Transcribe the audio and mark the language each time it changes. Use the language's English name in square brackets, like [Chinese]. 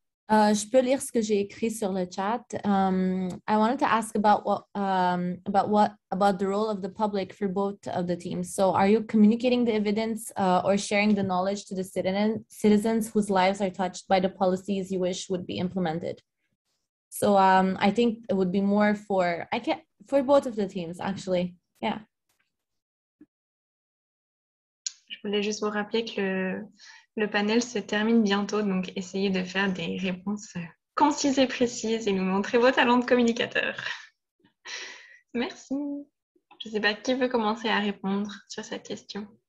[French] Je peux lire ce que j'ai écrit sur le chat. [English] I wanted to ask about the role of the public for both of the teams. So are you communicating the evidence or sharing the knowledge to the citizens whose lives are touched by the policies you wish would be implemented? So I think it would be more for both of the teams, actually. Yeah. [French] Je peux voulais juste vous rappeler que le panel se termine bientôt, donc essayez de faire des réponses concises et précises et nous montrer vos talents de communicateur. Merci. Je ne sais pas qui veut commencer à répondre sur cette question.